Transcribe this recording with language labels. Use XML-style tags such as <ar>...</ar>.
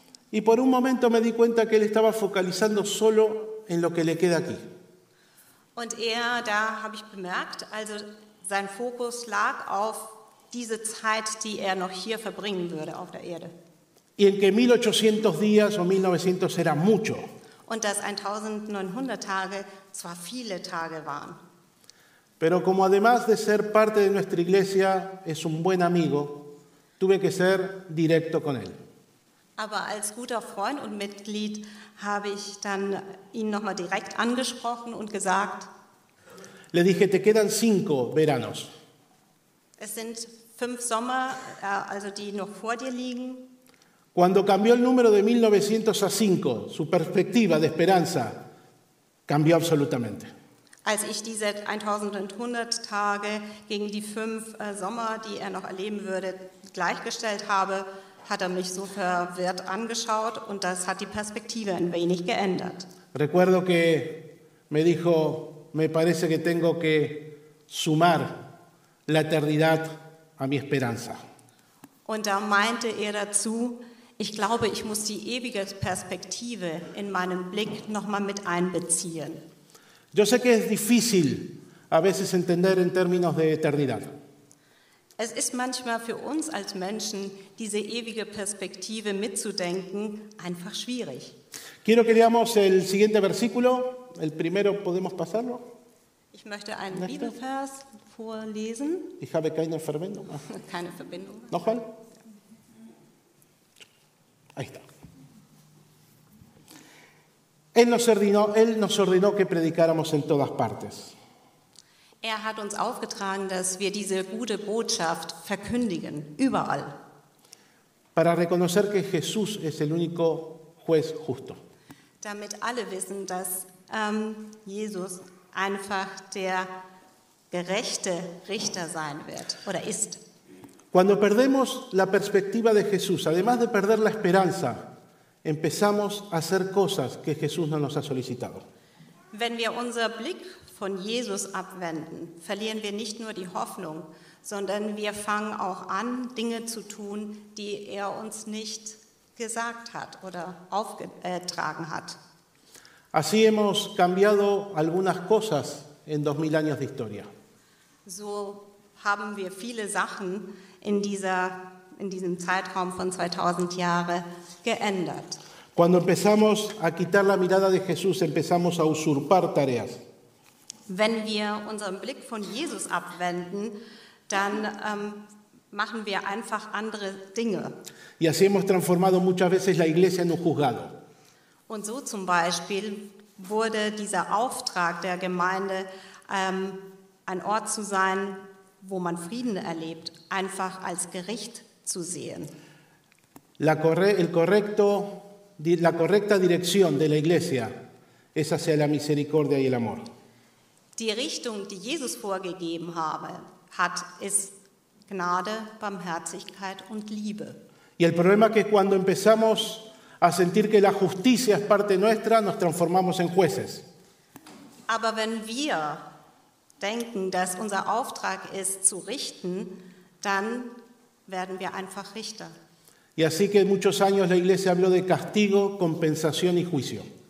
<es>Y por un momento me di cuenta que él estaba focalizando solo en lo que le queda aquí.</es> <de>Und da habe ich bemerkt, also sein Fokus lag auf diese Zeit, die noch hier verbringen würde auf der Erde.</de> <es>Y en que 1800 días o 1900 era mucho.</es> <de>Und dass 1900 Tage zwar viele Tage waren.</de> <es>Pero como además de ser parte de nuestra iglesia es un buen amigo, tuve que ser directo con él.</es> <de>Aber als guter Freund und Mitglied habe ich dann ihn nochmal direkt angesprochen und gesagt.</de> <es>Le dije, te quedan 5 veranos.</es> <de>Es sind 5 Sommer, also die noch vor dir liegen.</de> <es>Cuando cambió el número de 1900 a 5, su perspectiva de esperanza cambió absolutamente.</es> <de>Als ich diese 1100 Tage gegen die 5 Sommer, die noch erleben würde, gleichgestellt habe, hat mich so verwirrt angeschaut und das hat die Perspektive ein wenig geändert.</de> <es>Recuerdo que me dijo, me parece que tengo que sumar la eternidad a mi esperanza.</es> <de>Und da meinte dazu, ich glaube, ich muss die ewige Perspektive in meinem Blick noch mal mit einbeziehen.</de> <es>Yo sé que es difícil a veces entender en términos de eternidad.</es> <de>Es ist manchmal für uns als Menschen, diese ewige Perspektive mitzudenken, einfach schwierig.</de> <es>Quiero que leamos el siguiente versículo. El primero, ¿podemos pasarlo?</es> <de>Ich möchte einen Bibelvers vorlesen. Ich habe keine Verbindung. Keine Verbindung. Nochmal.</de> <es>Ahí está. Él nos ordenó que predicáramos en todas partes.</es> <de>Hat uns aufgetragen, dass wir diese gute Botschaft verkündigen, überall.</de> <es>Para reconocer que Jesús es el único juez justo.</es> <de>Damit alle wissen, dass Jesus einfach der gerechte Richter sein wird oder ist.</de> <es>Cuando perdemos la perspectiva de Jesús, además de perder la esperanza, empezamos a hacer cosas que Jesús no nos ha solicitado.</es> <de>Wenn wir unser Blick von Jesus abwenden, verlieren wir nicht nur die Hoffnung, sondern wir fangen auch an, Dinge zu tun, die er uns nicht gesagt hat oder aufgetragen hat.</de> <es>Así hemos cambiado algunas cosas en 2000 años de historia.</es> <de>So haben wir viele Sachen in diesem Zeitraum von 2000 Jahren geändert.</de> <es>Cuando empezamos a quitar la mirada de Jesús, empezamos a usurpar tareas.</es> <de>Wenn wir unseren Blick von Jesus abwenden, dann machen wir einfach andere Dinge.</de> <es>Y así hemos transformado muchas veces la iglesia en un juzgado.</es> <de>Und so zum Beispiel wurde dieser Auftrag der Gemeinde, ein Ort zu sein, wo man Frieden erlebt, einfach als Gericht zu sehen.</de> <es>La correcta dirección de la iglesia es hacia la misericordia y el amor.</es> <de>Die Richtung, die Jesus vorgegeben hat, ist Gnade, Barmherzigkeit und Liebe.</de> <es>Y el problema es que cuando empezamos a sentir que la justicia es parte nuestra, nos transformamos en jueces.</es> <de>Aber wenn wir denken, dass unser Auftrag ist, zu richten, dann werden wir einfach Richter.</de> <es>Y así que muchos años la iglesia habló de castigo, compensación y juicio.</es>